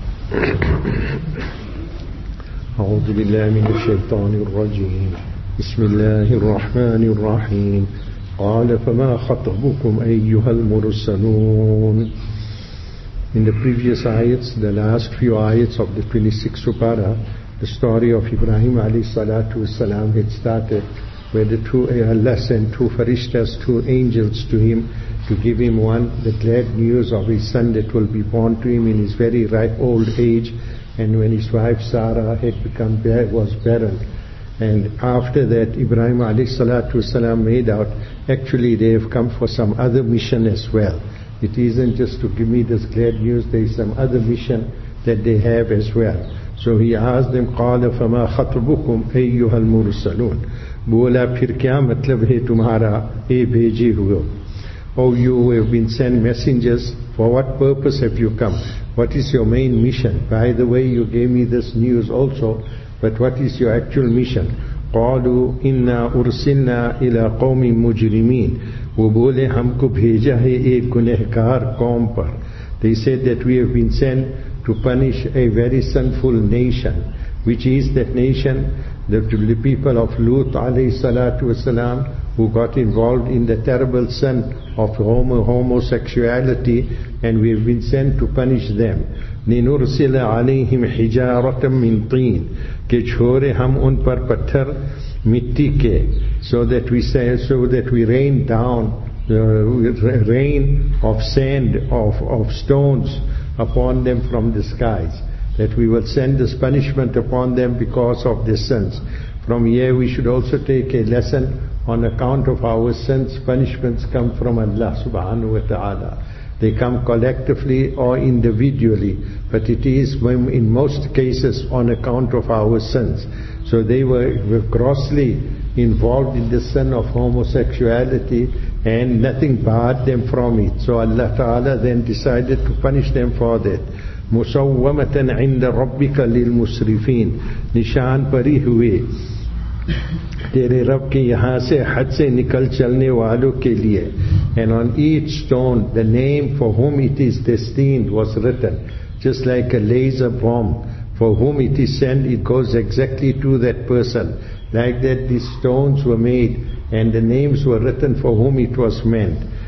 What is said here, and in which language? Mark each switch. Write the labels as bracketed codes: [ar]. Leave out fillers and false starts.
[ar] أعوذ بالله من الشيطان الرجيم. بسم الله الرحمن الرحيم. قال فما خطبكم أيها المرسلون. [en] In the previous ayats, the last few ayats of the 26th Supara, the story of Ibrahim alayhi salatu wasalam had started, where the two farishtas, two angels to him, to give him one, the glad news of his son that will be born to him in his very ripe old age, and when his wife Sarah had become barren. And after that, Ibrahim alayhi salatu wasalam made out, actually they have come for some other mission as well. It isn't just to give me this glad news, there is some other mission that they have as well. So he asked them, [ar] قَالَ فَمَا خَطْبُكُمْ أَيُّهَا الْمُرْسَلُونَ. [ur] بُولَا پھر کیا مطلب ہے تمہارا اے بھیجے ہوئے. [en] Oh, you who have been sent messengers, for what purpose have you come? What is your main mission? By the way, you gave me this news also, but what is your actual mission? [ar] قَالُوا إِنَّا أُرْسِلْنَا إِلَىٰ قَوْمٍ مُجْرِمِينَ. [ur] وہ بولے ہم کو بھیجا ہے ایک گنہگار قوم پر. [en] They said that we have been sent to punish a very sinful nation. Which is that nation? The people of Lut alayhi salatu wasalam, who got involved in the terrible sin of homosexuality, and we have been sent to punish them. [ar] لِنُرْسِلَ عَلَيْهِمْ حِجَارَةً مِّن طِين. [ur] کہ چھوڑے ہم ان پر پتھر مٹی کے. [en] So that we rain down rain of sand, of stones upon them from the skies. That we will send this punishment upon them because of their sins. From here we should also take a lesson. On account of our sins, punishments come from Allah subhanahu wa ta'ala. They come collectively or individually, but it is in most cases on account of our sins. So they were grossly involved in the sin of homosexuality, and nothing barred them from it. So Allah ta'ala then decided to punish them for that. [ar] مُسَوَّمَةً عِنْدَ رَبِّكَ لِلْمُسْرِفِينَ. [ur] نِشَان پَرِ ہوئے تیرے رب کے یہاں سے حد سے نکل چلنے والوں کے لئے. [en] And on each stone, the name for whom it is destined was written, just like a laser bomb. For whom it is sent, it goes exactly to that person. Like that, these stones were made, and the names were written for whom it was meant.